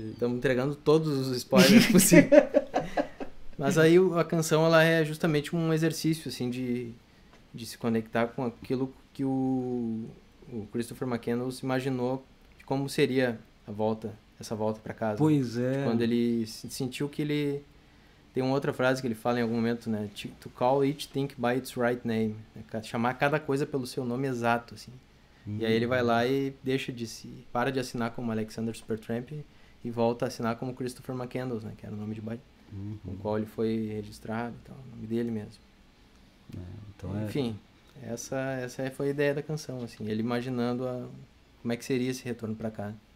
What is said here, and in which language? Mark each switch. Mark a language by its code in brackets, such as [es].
[pt] Estamos entregando todos os spoilers possíveis. Mas aí a canção ela é justamente um exercício assim de se conectar com aquilo que o Christopher McCandless imaginou de como seria a volta, essa volta para casa, né? Pois De é. quando ele sentiu que ele tem uma outra frase que ele fala em algum momento, né? [en] To call each thing by its right name, né? [pt] Chamar cada coisa pelo seu nome exato, assim. E aí ele vai lá e para de assinar como Alexander Supertramp e volta a assinar como Christopher McCandless, né, que era o nome de com o qual ele foi registrado, então, o nome dele mesmo. Enfim, essa foi a ideia da canção, assim, ele imaginando como é que seria esse retorno para cá.